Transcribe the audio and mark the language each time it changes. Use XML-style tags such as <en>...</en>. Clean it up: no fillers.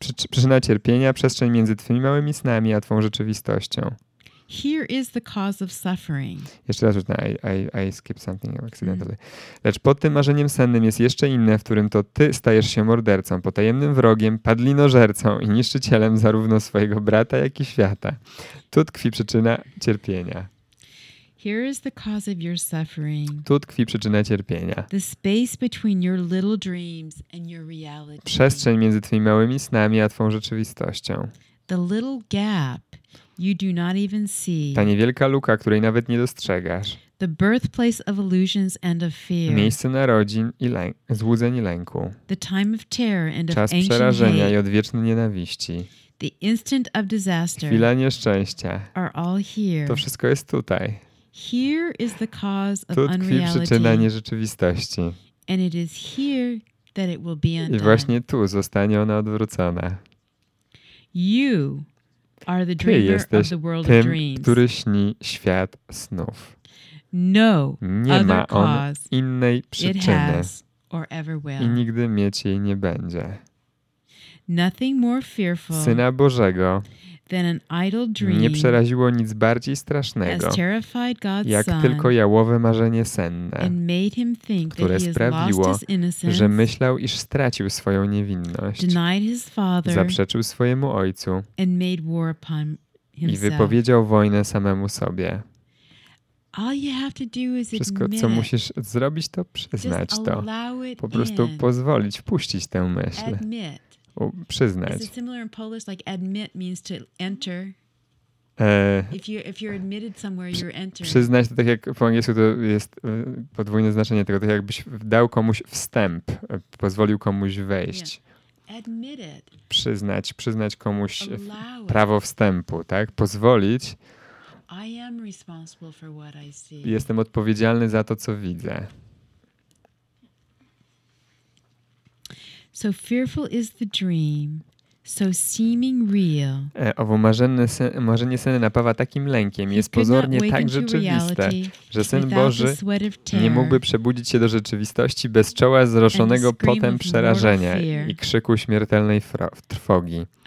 <pl>Przyczyna cierpienia, przestrzeń między twymi małymi snami a twą rzeczywistością.</pl> <en>Here is the cause of suffering.</en> <pl>Jeszcze raz,</pl> <en>I skipped something accidentally.</en> <pl>Lecz pod tym marzeniem sennym jest jeszcze inne, w którym to ty stajesz się mordercą, potajemnym wrogiem, padlinożercą i niszczycielem zarówno swojego brata, jak i świata. Tu tkwi przyczyna cierpienia.</pl> <en>Here is the cause of your suffering.</en> <pl>Tu tkwi przyczyna cierpienia.</pl> <en>The space between your little dreams and your reality.</en> <pl>Przestrzeń między twymi małymi snami a twą rzeczywistością.</pl> <en>The little gap you do not even see.</en> <pl>Ta niewielka luka, której nawet nie dostrzegasz.</pl> <en>The birthplace of illusions and of fear.</en> <pl>Miejsce narodzin i złudzeń i lęku.</pl> <en>The time of terror and</en> <pl>czas</pl> <en>of</en> <pl>przerażenia</pl> <en>ancient</en> <pl>i odwieczne nienawiści.</pl> <en>The instant of disaster.</en> <pl>Chwila nieszczęścia.</pl> <en>Are all here.</en> <pl>To wszystko jest tutaj.</pl> <en>Here is the cause of</en> <pl>tu tkwi</pl> <en>unreality.</en> <pl>Przyczyna nierzeczywistości.</pl> <en>And it is here that it will be undone.</en> <pl>I właśnie tu zostanie ona odwrócona.</pl> <en>You are the dreamer</en> <pl>Ty jesteś</pl> <en>of the world</en> <pl>tym,</pl> <en>of dreams.</en> <pl>Który śni świat snów.</pl> <en>No</en> <pl>nie</pl> <en>other</en> <pl>ma on</pl> <en>cause</en> <pl>innej przyczyny.</pl> <en>It has or ever will.</en> <pl>I nigdy mieć jej nie będzie.</pl> <en>Nothing more fearful</en> <pl>Syna Bożego</pl> <en>than an idle dream</en> <pl>nie przeraziło nic bardziej strasznego,</pl> <en>as terrified God's</en> <pl>jak</pl> <en>son</en> <pl>tylko jałowe marzenie senne,</pl> <en>and made him think</en> <pl>które</pl> <en>that he</en> <pl>sprawiło,</pl> <en>has lost his innocence,</en> <pl>że myślał, iż stracił swoją niewinność,</pl> <en>denied his father,</en> <pl>zaprzeczył swojemu ojcu</pl> <en>and made war upon himself.</en> <pl>I wypowiedział wojnę samemu sobie.</pl> <en>All you have to do is admit,</en> <pl>wszystko, co musisz zrobić, to przyznać to. Po prostu</pl> <en>in,</en> <pl>pozwolić, puścić tę myśl.</pl> <en>Admit.</en> <pl>Przyznać.</pl> <en>Is it similar in Polish, like admit means to enter? If you're admitted somewhere, you're entering.</en> <pl>Przyznać to tak jak po angielsku to jest podwójne znaczenie tego, tak jakbyś dał komuś wstęp, pozwolił komuś wejść.</pl> <en>Yeah. Admit it.</en> <pl>Przyznać komuś prawo wstępu, tak? Pozwolić.</pl> <en>I am responsible for what I see.</en> <pl>Jestem odpowiedzialny za to, co widzę.</pl> <en>So fearful is the dream, so seeming real.</en> <pl>Owo marzenie syna napawa takim lękiem, jest pozornie tak rzeczywiste, że Syn Boży nie mógłby przebudzić się do rzeczywistości bez czoła zroszonego potem przerażenia i krzyku śmiertelnej trwogi.</pl>